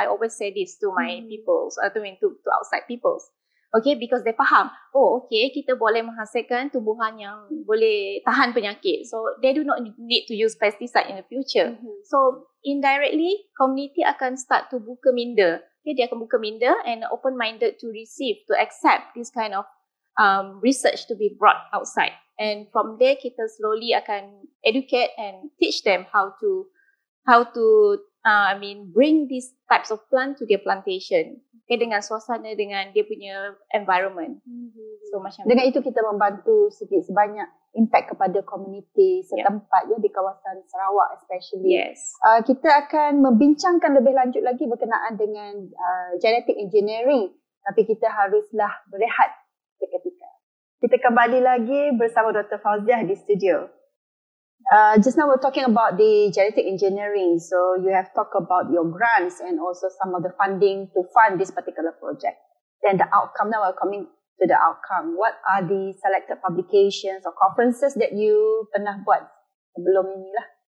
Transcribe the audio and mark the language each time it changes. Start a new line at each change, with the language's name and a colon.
English: I always say this to my peoples, to outside peoples. Okay, because they
Malay: faham, kita boleh menghasilkan tumbuhan yang boleh tahan penyakit.
English: So, they do not need to use pesticide in the future. Mm-hmm. So, indirectly, community
Malay: akan
English: start to
Malay: buka minda.
English: Okay,
Malay: dia akan buka minda
English: and open-minded to receive, to accept this kind of research to be brought outside. And from there,
Malay: kita
English: slowly
Malay: akan
English: educate and teach them how to bring these types of plant to their plantation.
Malay: Okay, dengan suasana, dengan dia punya environment. Mm-hmm. So macam dengan itu kita membantu sedikit sebanyak impact kepada community setempat di kawasan Sarawak especially.
English: Yes.
Malay: Kita akan membincangkan lebih lanjut lagi berkenaan dengan genetic engineering. Tapi kita haruslah berehat seketika. Kita kembali lagi bersama Dr. Fauziah di studio.
English: Just now we're talking about the genetic engineering. So you have talked about your grants and also some of the funding to fund this particular project. Then the outcome, now we're coming to the outcome. What are the selected publications or conferences that you
Malay: pernah buat sebelum ini lah?